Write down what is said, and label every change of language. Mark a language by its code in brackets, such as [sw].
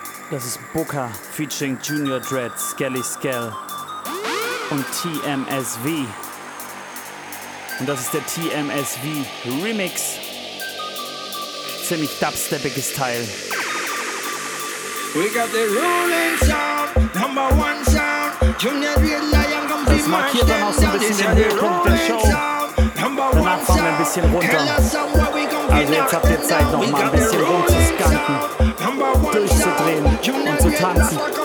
[de] Das ist Booker featuring Junior Dread, Skelly Skell und TMSV. Und das ist der TMSV Remix. Ziemlich dubsteppiges Teil. [en] We got the ruling sound, number one sound. Junior Dread Lion comes in. [de] Das markiert dann auch so ein bisschen den Punkt der Show. Danach fahren wir ein bisschen runter. Also jetzt habt ihr Zeit, noch mal ein bisschen rumzuskanken, durchzudrehen und zu tanzen.